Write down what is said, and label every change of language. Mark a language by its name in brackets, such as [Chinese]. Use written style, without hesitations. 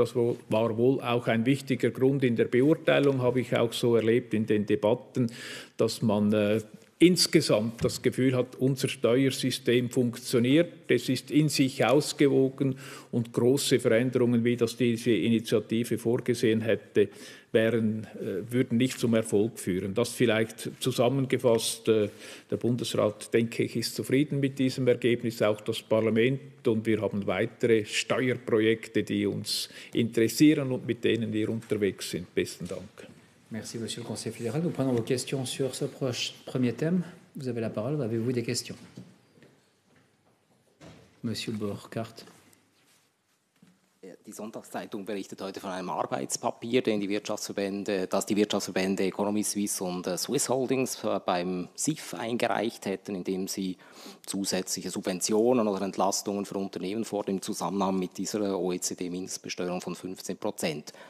[German] Das war wohl auch ein wichtiger Grund in der Beurteilung, habe ich auch so erlebt in den Debatten, dass man insgesamt das Gefühl hat, unser Steuersystem funktioniert, es ist in sich ausgewogen und große Veränderungen, wie das diese Initiative vorgesehen hätte, würden nicht zum Erfolg führen. Das vielleicht zusammengefasst, der Bundesrat, denke ich, ist zufrieden mit diesem Ergebnis, auch das Parlament und wir haben weitere Steuerprojekte, die uns interessieren und mit denen wir unterwegs sind. Besten Dank. [French] Merci, Monsieur le Conseiller fédéral. Nous prenons vos questions sur ce premier thème. Vous avez la parole. Avez-vous des questions? Monsieur Burkhardt. [German] Die Sonntagszeitung berichtet heute von einem Arbeitspapier, das die Wirtschaftsverbände Economy Suisse und Swiss Holdings beim SIF eingereicht hätten, indem sie zusätzliche Subventionen oder Entlastungen für Unternehmen fordern im Zusammenhang mit dieser OECD-Mindestbesteuerung von 15%.